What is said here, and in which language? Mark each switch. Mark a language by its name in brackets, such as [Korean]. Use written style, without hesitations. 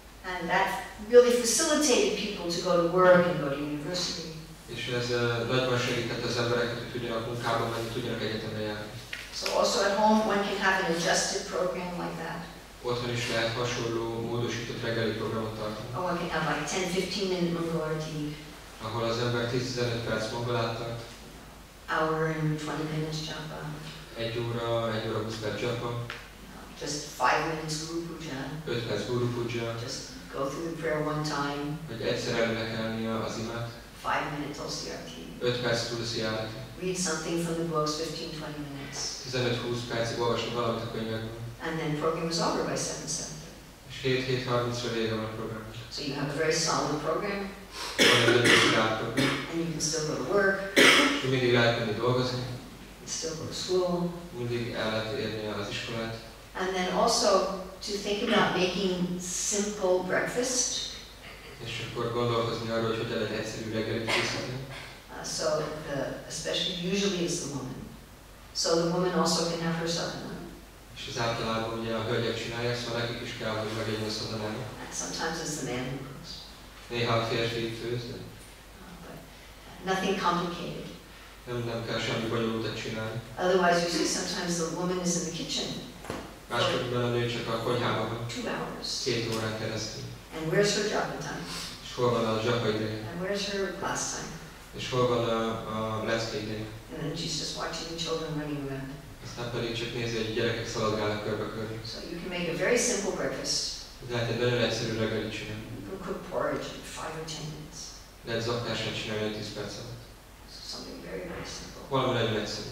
[English] And that really facilitated people to go to work and go to university. [Hungarian] És ez nagyban segített az embereket, hogy tudjanak munkába menni, tudjanak egyetemre járni. [English] So also at home one can have an adjusted program like that. [Hungarian] Otthon is lehet hasonló módosított reggeli programot tartani. [English] Or one can have like 10-15 minute mongolati. [Hungarian] Ahol az ember 10-15 perc mongolát tart. [English] Hour and 20 minutes japa. [Hungarian] 1 óra 20 perc japa. [English] Just 5 minutes guru puja. [Hungarian] 5 perc guru puja. [English] Just go through the prayer one time. [Hungarian] Hogy egyszer elnek elni az imát. [English] 5 minutes tulsi arti. [Hungarian] 5 perc tulsi arti. [English] Read something from the books 15-20 minutes. [Hungarian] 15-20 percig olvasni valamit a könyvekből. [English] And then program is over by 7:30. [Hungarian] És 7:30-ra vége van a program. [English] So you have a very solid program. And you can still go to work. [Hungarian] És mindig lehet menni dolgozni. [English] And still go to school. [Hungarian] Mindig el lehet érni az iskolát. [English] And then also to think about making simple breakfast. [Hungarian] És akkor gondolkozni arról, hogy hogyan egy egyszerű reggelit készíteni. [English] So the especially usually is the woman. So the woman also can have her sadhana. [Hungarian] És az általában ugye a hölgyek csinálják, szóval nekik is kell, hogy megegyen a sadhana. [English] Sometimes it's the man who cooks. [Hungarian] Néha a férfi főz. [English] Nothing complicated. [Hungarian] Nem kell semmi bonyolultat csinálni. [English] Otherwise you see sometimes the woman is in the kitchen. [Hungarian] Másképpen a nő csak a konyhában van. [English] 2 hours. [Hungarian] 2 órán keresztül. [English] And where's her japa time? [Hungarian] És hol van a japa ideje? [English] And where's her class time? [Hungarian] És hol van a leckéje? [English] And then she's just watching the children running around. [Hungarian] Aztán pedig csak nézi, hogy a gyerekek szaladgálnak körbe-körbe. [English] So you can make a very simple breakfast. [Hungarian] Lehet egy nagyon egyszerű reggelit csinálni. [English] You can cook porridge in 5 or 10 minutes. [Hungarian] Lehet zaklásra csinálni 10 perc alatt. [English] Something very, very simple. [Hungarian] Valami nagyon egyszerű.